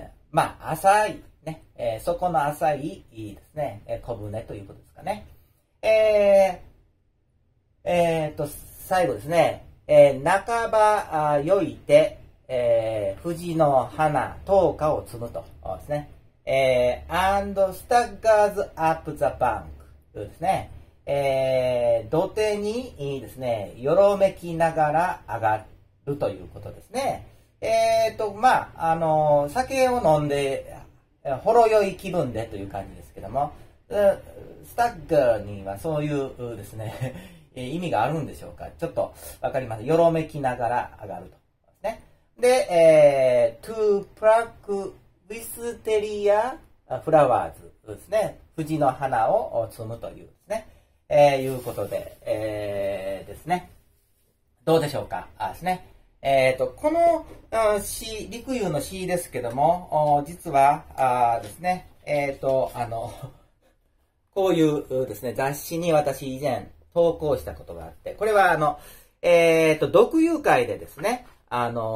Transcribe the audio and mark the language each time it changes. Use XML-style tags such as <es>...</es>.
<ja>まあ、浅い、ね、そこの浅い、いいですね、小舟ということですかね。最後ですね、半ば酔いて、藤の花、灯花を摘むと、ですね。</ja> <en>and staggers up the bank</en> <ja>ですね。土手に、いいですね、よろめきながら上がるということですね。まあ、酒を飲んで、ほろ酔い気分でという感じですけども、スタッガーにはそういうですね、意味があるんでしょうか。ちょっとわかります。よろめきながら上がると。ね、で、</ja> <en>to pluck wisteria flowers</en> <ja>ですね。藤の花を摘むというですね、いうことで、ですね。どうでしょうか。あですね。この詩、陸遊の詩ですけども、実は、ですね、こういうですね、雑誌に私以前投稿したことがあって、これは読遊会でですね、担</ja>